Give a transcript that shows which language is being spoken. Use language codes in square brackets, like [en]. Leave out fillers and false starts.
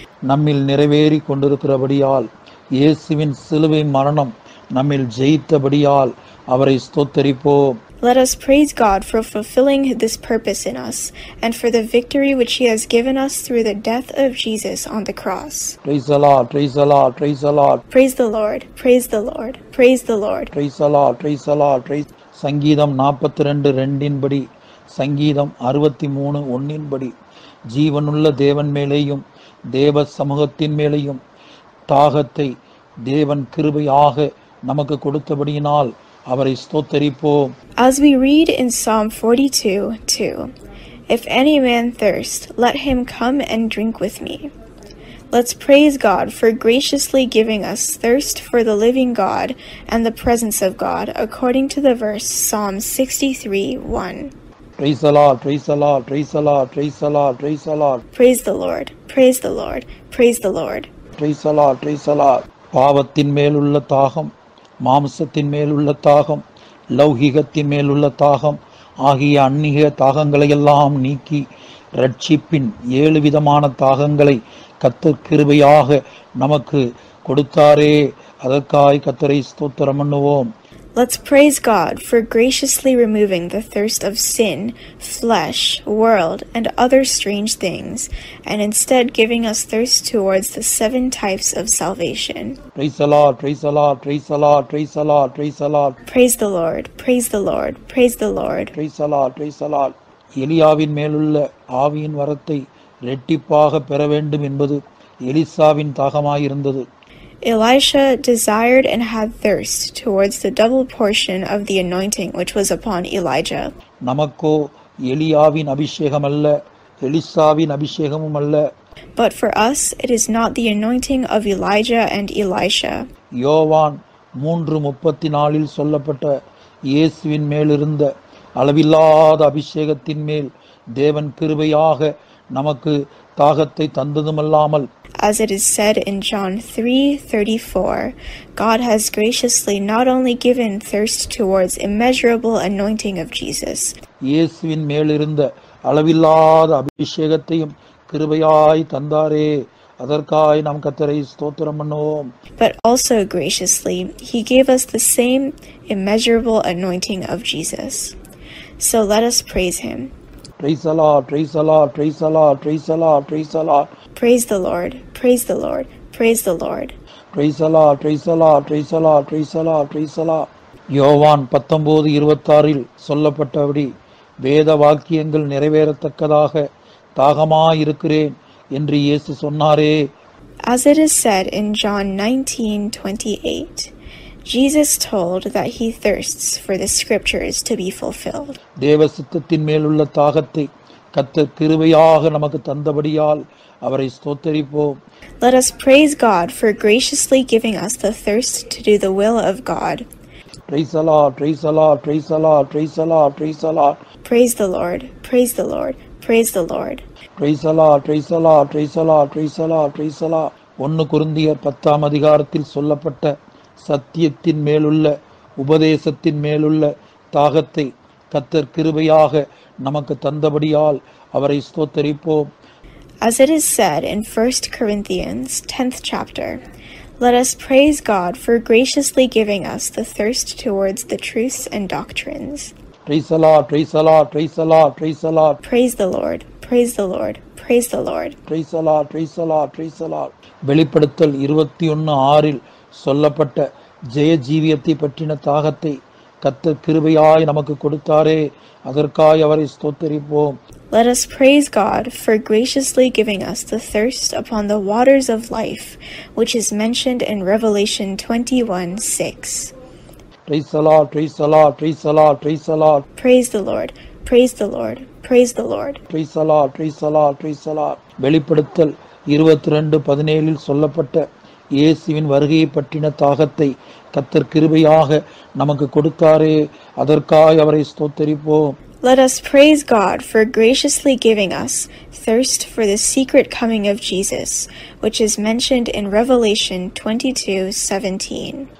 [ta] நம்மில் நிறைவேறி கொண்டிருக்கிறபடியால் இயேசுவின் சிலுவை மரணம் நம்மில் ஜெயித்தபடியால் அவரை ஸ்தோத்தரிப்போம். [en] Let us praise God for fulfilling this purpose in us and for the victory which he has given us through the death of Jesus on the cross. Praise the Lord, praise the Lord, praise the Lord. Praise the Lord, praise the Lord, praise the Lord. Praise the Lord, praise the Lord, praise. [ta] சங்கீதம் 42:2, சங்கீதம் 63:1, ஜீவனுள்ள தேவன் மேலேயும் தேவ சமூகத்தின் மேலேயும் தாகத்தை தேவன் கிருபையாக நமக்கு கொடுத்தபடியினால் அவரை ஸ்தோத்தரிப்போம். [en] As we read in Psalm 42:2, if any man thirst, let him come and drink with me. Let's praise God for graciously giving us thirst for the living God and the presence of God, according to the verse Psalm 63:1. Praise the Lord, praise the Lord, praise the Lord, praise the Lord, praise the Lord. Praise the Lord, praise the Lord, praise the Lord. Praise the Lord, praise the Lord. [ta] பாவத்தின் மேலுள்ள தாகம், மாம்சத்தின் மேலுள்ள தாகம், லௌகிகத்தின் மேலுள்ள தாகம் ஆகிய அந்நிய தாகங்களையெல்லாம் நீக்கி ரட்சிப்பின் ஏழு விதமான தாகங்களை கர்த்தர் கிருபையாக நமக்கு கொடுத்தாரே. அதற்காய் கர்த்தரை ஸ்தோத்திரம் பண்ணுவோம். [en] Let's praise God for graciously removing the thirst of sin, flesh, world, and other strange things, and instead giving us thirst towards the seven types of salvation. Praise the Lord, praise the Lord, praise the Lord, praise the Lord, praise the Lord. Praise the Lord, praise the Lord, praise the Lord. Praise the Lord, praise the Lord. [ta] எலியாவின் மேலுள்ள ஆவியின் வரத்தை இரட்டிப்பாக பெற வேண்டும் என்பது எலிசாவின் தாகமாயிருந்தது. [en] Elisha desired and had thirst towards the double portion of the anointing which was upon Elijah. [ta] நமக்கு எலியாவின் அபிஷேகம் அல்ல எலிசாவின் அபிஷேகமும் அல்ல. [en] But for us it is not the anointing of Elijah and Elisha. [ta] யோவான் 3:34 சொல்லப்பட்ட இயேசுவின் மேல் இருந்த அளவில்லாத அபிஷேகத்தின் மேல் தேவன் கிருபையாக நமக்கு தாகத்தை தந்ததுமல்லாமல் [en] As it is said in John 3:34, God has graciously not only given thirst towards immeasurable anointing of Jesus. [ta] இயேசுவின் மேலிருந்த அளவில்லாத அபிஷேகத்தையும் கிருபையாய் தந்தாரே அதற்காய் நாம் கர்த்தரை ஸ்தோத்திரம் பண்ணுவோம். [en] But also graciously, he gave us the same immeasurable anointing of Jesus. So let us praise him. Praise the Lord, praise the Lord, praise the Lord, praise the Lord, praise the Lord. Praise the Lord, praise the Lord, praise the Lord. Praise the Lord, praise the Lord, praise the Lord, praise the Lord, praise the Lord. [ta] யோவான் 19:26 சொல்லப்பட்டபடி வேத வாக்கியங்கள் நிறைவேறத்தக்கதாக தாகமாயிருக்கிறேன் என்று இயேசு சொன்னாரே. [en] As it is said in John 19:28, Jesus told that he thirsts for the scriptures to be fulfilled. [ta] தேவ சித்தத்தின் மேல் உள்ள தாகத்தை கர்த்தர் கிருபையாக நமக்கு தந்தபடியால் அவரை ஸ்தோத்தரிப்போம். [en] Let us praise God for graciously giving us the thirst to do the will of God. Praise the Lord, praise the Lord, praise the Lord, praise the Lord, praise the Lord. Praise the Lord, praise the Lord, praise the Lord. Praise the Lord, praise the Lord, praise the Lord, praise the Lord, praise the Lord. [ta] 1 கொரிந்தியர் 10 அதிகாரத்தில் சொல்லப்பட்ட சத்தியத்தின் மேலுள்ள உபதேசத்தின் மேலுள்ள தாகத்தை கர்த்தர் கிருபையாக நமக்கு தந்தபடியால் அவரை ஸ்தோத்தரிப்போம். [en] As it is said in 1 Corinthians 10th chapter, let us praise God for graciously giving us the thirst towards the truths and doctrines. Praise the Lord, praise the Lord, praise the Lord, praise the Lord. Praise the Lord, praise the Lord, praise the Lord. Praise the Lord, praise the Lord, praise the Lord. [ta] வெளிப்படுத்தல் 21:6 சொல்லப்பட்ட ஜெய ஜீவியத்தை பற்றின தாகத்தை கர்த்தர் கிருபையாய் நமக்கு கொடுத்தாரே அதற்காய் அவரை ஸ்தோத்தரிப்போம். [en] Let us praise God for graciously giving us the thirst upon the waters of life, which is mentioned in Revelation 21:6. Praise the Lord, praise the Lord, praise the Lord, praise the Lord. Praise the Lord, praise the Lord, praise the Lord. Praise the Lord, praise the Lord, praise the Lord. [ta] வெளிப்படுத்தல் 22:17 சொல்லப்பட்ட இயேசுவின் வருகையை பற்றின தாகத்தை கர்த்தர் கிருபையாக நமக்கு கொடுத்தாரே அதற்காய் அவரை ஸ்தோத்தரிப்போம். [en] Let us praise God for graciously giving us thirst for the secret coming of Jesus, which is mentioned in Revelation 22:17.